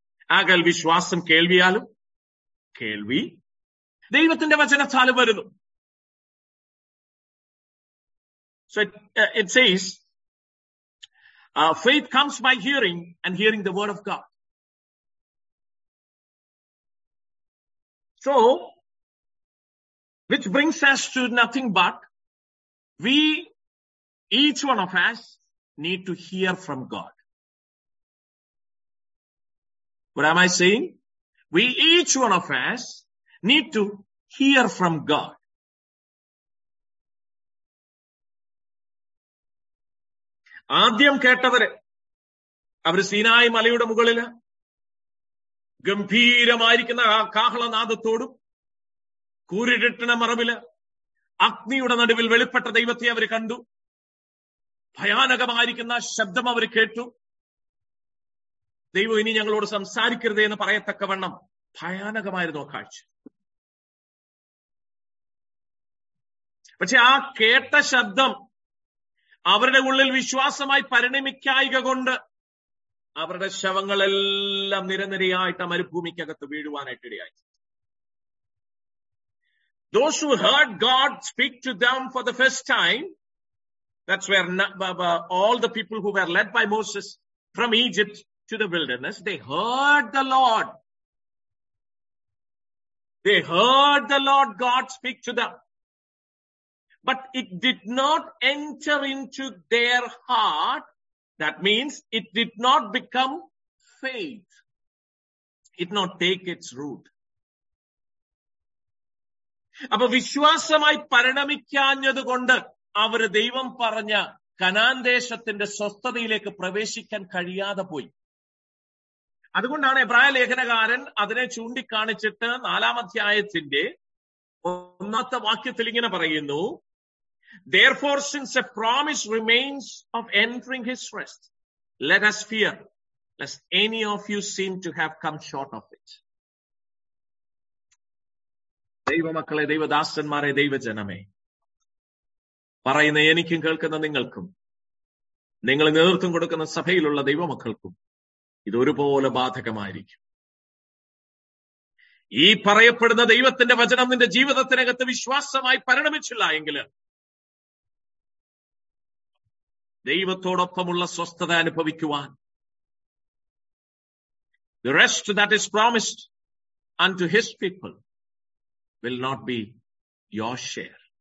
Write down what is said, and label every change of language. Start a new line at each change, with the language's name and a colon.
Malayalam: ആകൽ വിശ്വാസം കേൾവിയാലും, കേൾവി ദൈവത്തിന്റെ വചനത്താലും വരുന്നു.
English: So it says faith comes by hearing and hearing the word of God. So, which brings us to nothing but we, each one of us, need to hear from God. What am I saying? We, each one of us, need to hear from God.
Malayalam: ആദ്യം കേട്ടവരെ അവർ സീനായ് മലയുടെ മുകളിൽ ഗംഭീരമായിരിക്കുന്ന ആ കാഹളനാദത്തോടും കൂരിട്ടിണ മറവില് അഗ്നിയുടെ നടുവിൽ വെളിപ്പെട്ട ദൈവത്തെ അവർ കണ്ടു. ഭയാനകമായിരിക്കുന്ന ശബ്ദം അവർ കേട്ടു. ദൈവം ഇനി ഞങ്ങളോട് സംസാരിക്കരുതേ എന്ന് പറയത്തക്കവണ്ണം ഭയാനകമായിരുന്നു ആ കാഴ്ച. പക്ഷെ ആ കേട്ട ശബ്ദം അവരുടെ ഉള്ളിൽ വിശ്വാസമായി പരിണമിക്കായിക കൊണ്ട് അവരുടെ ശവങ്ങളെല്ലാം നിരനിരയായിട്ട് മരുഭൂമിക്കകത്ത് വീഴുവാനായിട്ടിടയായി.
English: Those who heard God speak to them for the first time, that's where all the people who were led by Moses from Egypt to the wilderness, they heard the Lord. They heard the Lord God speak to them. But it did not enter into their heart. That means it did not become faith. It did not take its root.
Malayalam: അപ്പൊ വിശ്വാസമായി പരിണമിക്കാഞ്ഞത് കൊണ്ട് അവര് ദൈവം പറഞ്ഞ Canaan ദേശത്തിന്റെ സ്വസ്ഥതയിലേക്ക് പ്രവേശിക്കാൻ കഴിയാതെ പോയി. അതുകൊണ്ടാണ് എബ്രായ ലേഖനകാരൻ അതിനെ ചൂണ്ടിക്കാണിച്ചിട്ട് 4-ാം അധ്യായത്തിന്റെ 1-ാം വാക്യത്തിൽ ഇങ്ങനെ പറയുന്നു,
English: Therefore, since a promise remains of entering his rest, let us fear lest any of you seem to have come short of it.
Malayalam: ദൈവമക്കളെ, ദൈവദാസന്മാരെ, ദൈവജനമേ, പറയുന്ന എനിക്കും കേൾക്കുന്ന നിങ്ങൾക്കും നിങ്ങൾ നേതൃത്വം കൊടുക്കുന്ന സഭയിലുള്ള ദൈവമക്കൾക്കും ഇതൊരുപോലെ ബാധകമായിരിക്കും. ഈ പറയപ്പെടുന്ന ദൈവത്തിന്റെ വചനം നിന്റെ ജീവിതത്തിനകത്ത് വിശ്വാസമായി പരിണമിച്ചില്ല എങ്കിൽ ദൈവത്തോടൊപ്പമുള്ള സ്വസ്ഥത അനുഭവിക്കുവാൻ
English: the rest that is promised unto his people will not be your share.